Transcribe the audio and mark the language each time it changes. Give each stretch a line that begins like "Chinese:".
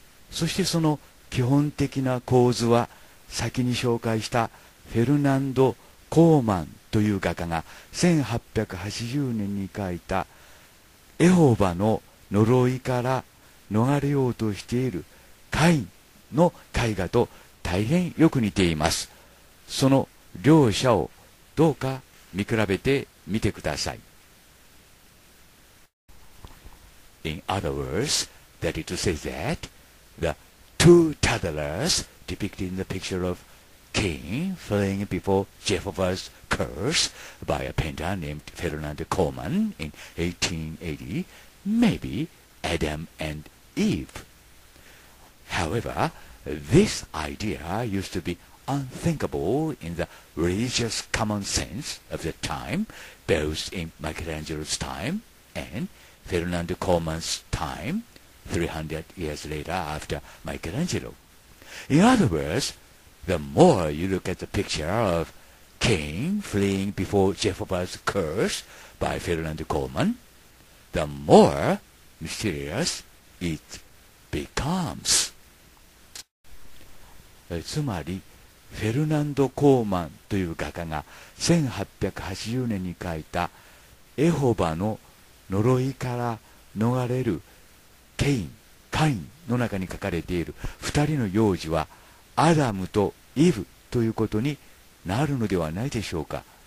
Japanese: そしてその基本的な構図は、先に紹介したフェルナンド・コーマンという画家が1880年に描いたエホバの呪いから逃れようとしているカインの絵画と大変よく似ています。その両者をどうか見比べてみてください。
English: In other words, that is to say that the two toddlers depicted in the picture of Cain fleeing before Jehovah's curse by a painter named Fernando Coleman in 1880 may be Adam and Eve. However, this idea used to be unthinkable in the religious common sense of the time, both in Michelangelo's time andFernando Coleman's time, 300 years later after Michelangelo. In other words, the more you look at the picture of Cain fleeing before Jehovah's curse by Fernando Coleman, the more mysterious it becomes.
Japanese: つまり、フェルナンド・コーマンという画家が1880年に描いたエホバの呪いから逃れるケイン、カインの中に書かれている二人の幼児はアダムとイブということになるのではないでしょうか。